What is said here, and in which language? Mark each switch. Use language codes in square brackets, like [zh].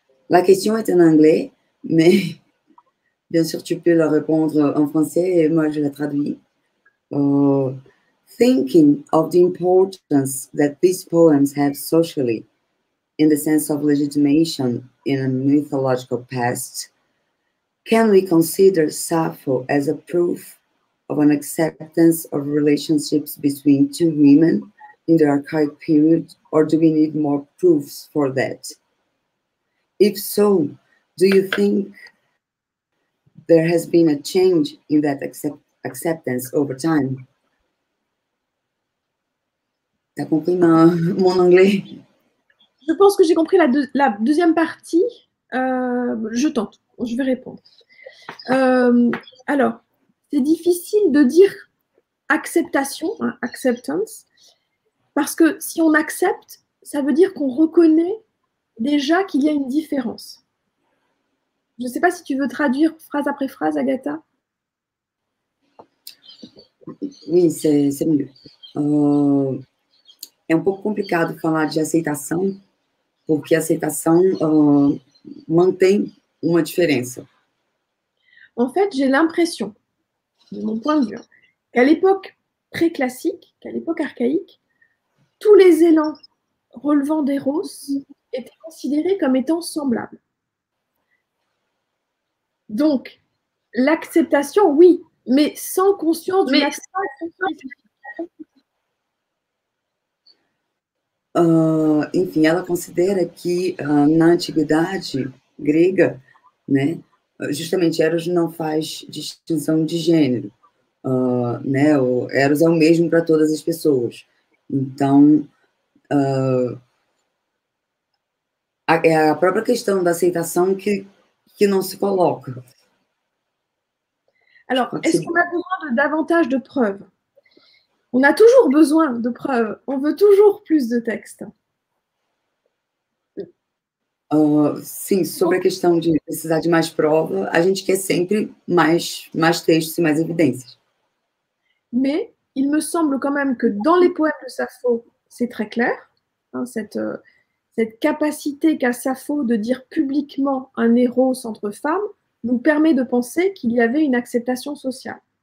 [fr] La question est en anglais, mais bien sûr, tu peux la répondre en français et moi, je la traduis. [en] Thinking of the importance that these poems have socially in the sense of legitimation in a mythological past, can we consider Sappho as a proof of an acceptance of relationships between two women in the archaic period, or do we need more proofs for that? If so, do you think there has been a change in that acceptance over time? [fr] T'as compris mon anglais? Je pense que j'ai compris la deuxième partie. Je tente, je vais répondre. Alors, c'est difficile de dire acceptation, hein, acceptance, parce que si on accepte, ça veut dire qu'on reconnaît déjà qu'il y a une différence. Je ne sais pas si tu veux traduire phrase après phrase, Agatha. Oui, c'est mieux. [pt] É um pouco complicado falar de aceitação, porque aceitação mantém uma diferença. [fr] En fait, j'ai l'impression, de mon point de vue, qu'à l'époque pré-classique, qu'à l'époque archaïque, tous les élans relevant d'Eros étaient considérés comme étant semblables. Donc, l'acceptation, oui, mais sans conscience de l'acceptation. [pt] Enfim, ela considera que na antiguidade grega, né, justamente Eros não faz distinção de gênero. né, o Eros é o mesmo para todas as pessoas. Então, é a própria questão da aceitação que não se coloca. [fr] Alors, est-ce qu'on a besoin de davantage de preuves? On a toujours besoin de preuves. On veut toujours plus de textes. [pt] Sim, sobre a questão de precisar de mais provas, a gente quer sempre mais textos e mais evidências. [fr] Mais il me semble quand même que dans les poèmes de Sappho, c'est très clair, hein, cette capacité qu'a Sappho de dire publiquement un héros entre femmes nous permet de penser qu'il y avait une acceptation sociale.